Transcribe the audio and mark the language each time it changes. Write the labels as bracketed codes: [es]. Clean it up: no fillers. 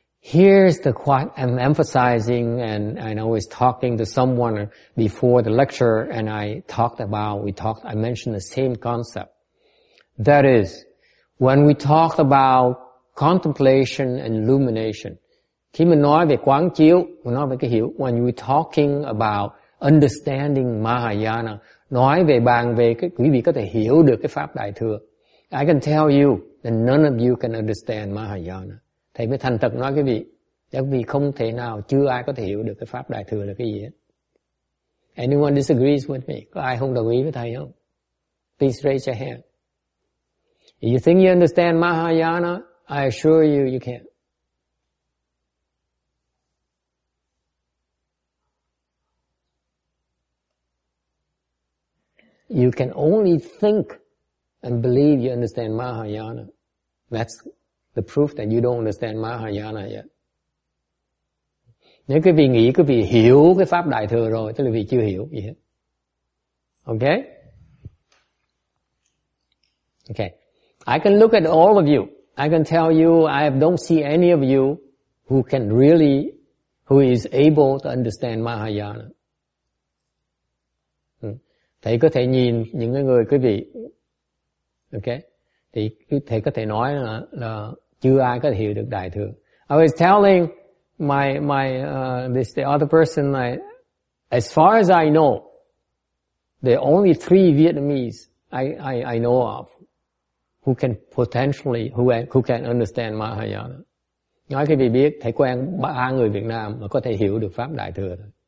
[en] Here's the quote I'm emphasizing, and I know it's talking to someone before the lecture, and I mentioned the same concept. That is, when we talk about contemplation and illumination, [vi] khi mình nói về quán chiếu, mình nói về cái hiểu, [en] when we're talking about understanding Mahayana, [vi] nói về bàn về cái quý vị có thể hiểu được cái pháp đại thừa, [en] I can tell you that none of you can understand Mahayana. [vi] Thầy mới thành thật nói quý vị, các vị không thể nào, chưa ai có thể hiểu được cái pháp đại thừa là cái gì hết. [en] Anyone disagrees with me? [vi] Có ai không đồng ý với thầy không? [en] Please raise your hand. If you think you understand Mahayana, I assure you, you can't. You can only think and believe you understand Mahayana. That's the proof that you don't understand Mahayana yet. [vi] Nếu quý vị nghĩ quý vị hiểu cái pháp đại thừa rồi, tức là vì chưa hiểu gì hết. [en] Okay? Okay. I can look at all of you. I can tell you, I don't see any of you who can really, who is able to understand Mahayana. [vi] Thầy có thể nhìn những người quý vị, ok, thì thầy có thể nói là chưa ai có thể hiểu được đại thừa. [en] I was telling the other person, like, as far as I know, there are only three Vietnamese I know of who can potentially who can understand Mahayana. [vi] Nói quý vị biết, thầy quen ba người Việt Nam mà có thể hiểu được pháp đại thừa thôi.